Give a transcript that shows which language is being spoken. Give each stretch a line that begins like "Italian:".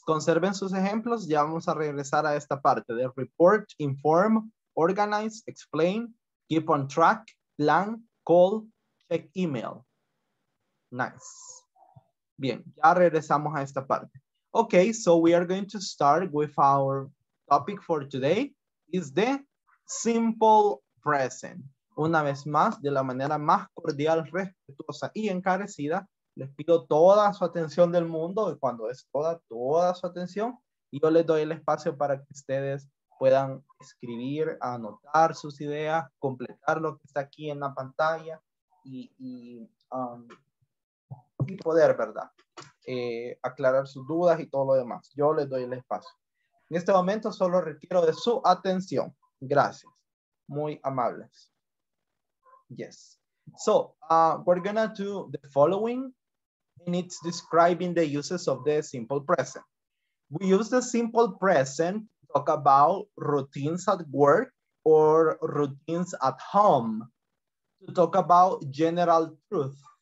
Spanish: Conserven sus ejemplos. Ya vamos a regresar a esta parte de
English: report, inform, organize, explain. Keep on track, plan, call, check email. Nice.
Spanish: Bien, ya regresamos a esta parte.
English: Okay, so we are going to start with our topic for today. Is the simple present.
Spanish: Una vez más, de la manera más cordial, respetuosa y encarecida, les pido toda su atención del mundo. Y cuando es toda su atención, yo les doy el espacio para que ustedes puedan escribir, anotar sus ideas, completar lo que está aquí en la pantalla y poder, ¿verdad? Aclarar sus dudas y todo lo demás. Yo les doy el espacio. En este momento solo requiero de su atención. Gracias. Muy amables. Yes.
English: So, we're gonna do the following, and it's describing the uses of the simple present. We use the simple present talk about routines at work or routines at home, to talk about general truth.